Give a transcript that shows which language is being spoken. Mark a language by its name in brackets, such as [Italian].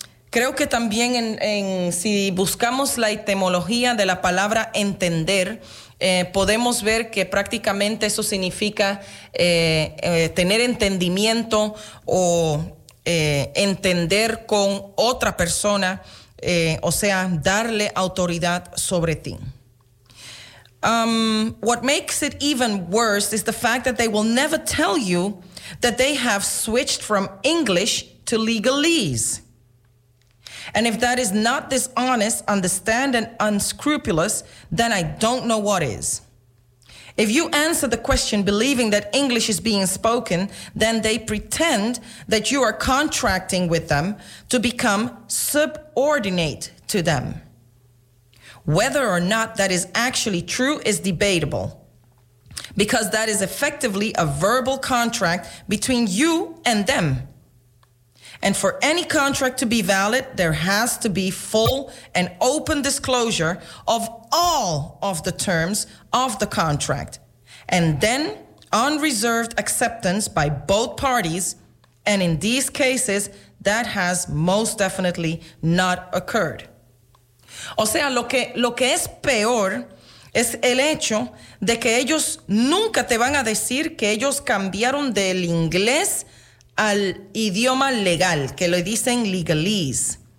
[Spanish] Creo que también si buscamos la etimología de la palabra entender, podemos ver que prácticamente eso significa tener entendimiento o entender con otra persona, o sea, darle autoridad sobre ti. [English] What makes it even worse is the fact that they will never tell you that they have switched from English to legalese. And if that is not dishonest, understand, and unscrupulous, then I don't know what is. If you answer the question believing that English is being spoken, then they pretend that you are contracting with them to become subordinate to them. Whether or not that is actually true is debatable, because that is effectively a verbal contract between you and them. And for any contract to be valid, there has to be full and open disclosure of all of the terms of the contract. And then unreserved acceptance by both parties, and in these cases, that has most definitely not occurred. [Spanish] O sea, lo que es peor es el hecho de que ellos nunca te van a decir que ellos cambiaron del inglés al idioma legal, que le dicen legalese.